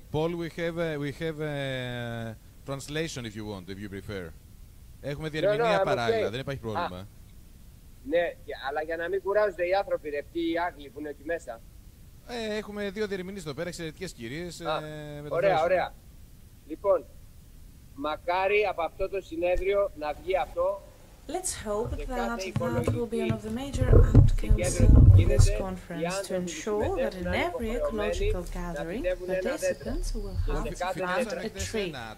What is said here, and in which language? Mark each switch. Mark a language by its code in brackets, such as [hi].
[en] Paul, we have a translation if you want, if you prefer. [el] Έχουμε διερμηνία παράλληλα, δεν υπάρχει πρόβλημα. Ναι, αλλά για να μην κουράζονται οι άνθρωποι, ρε, ποιοι οι Άγγλοι που είναι εκεί μέσα. Έχουμε δύο διερμηνείς εδώ πέρα, εξαιρετικές κυρίες. Ωραία, ωραία. Λοιπόν, μακάρι από αυτό το συνέδριο να βγει αυτό. [en] Let's hope that that will be one of the major outcomes of this conference to ensure that in every ecological gathering, participants will have to plant a tree.